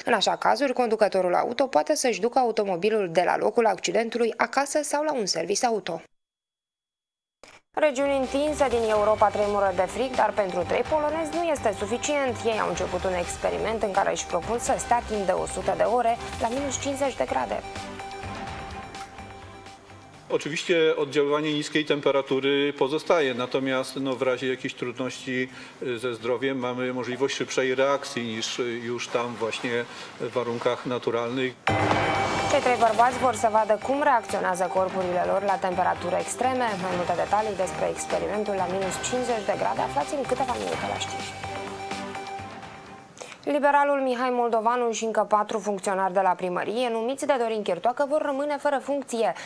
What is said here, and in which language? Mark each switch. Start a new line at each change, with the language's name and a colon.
Romanian: În așa cazuri, conducătorul auto poate să-și ducă automobilul de la locul accidentului acasă sau la un serviciu auto. Regiuni întinse din Europa tremură de frig, dar pentru trei polonezi nu este suficient. Ei au început un experiment în care își propun să stea timp de 100 de ore la minus 50 de grade.
Polish: Oczywiście oddziaływanie niskiej temperatury pozostaje, natomiast no, w razie jakichś trudności ze zdrowiem mamy możliwość szybszej reakcji niż już tam właśnie w warunkach naturalnych.
Romanian: Cei trei bărbați vor să vadă cum reacționează corpurile lor la temperaturi extreme. Mai multe detalii despre experimentul la minus 50 de grade aflați în câteva minute la știri. Liberalul Mihai Moldovanu și încă patru funcționari de la primărie, numiți de Dorin Chirtoacă, vor rămâne fără funcție.